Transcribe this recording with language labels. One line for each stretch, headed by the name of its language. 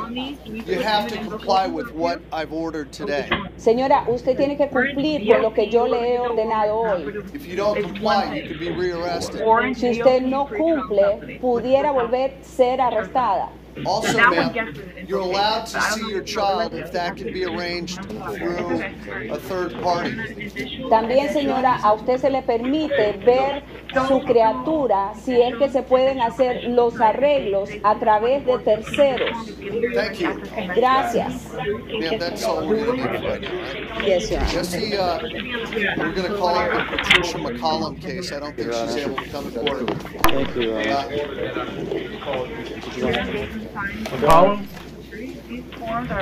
English: You have to comply with what I've ordered today.
Spanish: Señora, usted tiene que cumplir con lo que yo le he ordenado hoy.
English: If you don't comply, you could be rearrested.
Spanish: Si usted no cumple, pudiera volver a ser arrestada.
English: Also, ma'am, you're allowed to see your child if that can be arranged through a third party.
Spanish: También, señora, a usted se le permite ver su criatura si es que se pueden hacer los arreglos a través de terceros.
English: Thank you.
Spanish: Gracias.
English: Ma'am, that's all we're going to need right now, right? Yes, sir. Jesse, we're going to call up the Patricia McCollum case. I don't think she's able to come to court. Thank you, Your Honor. McCollum? These forms are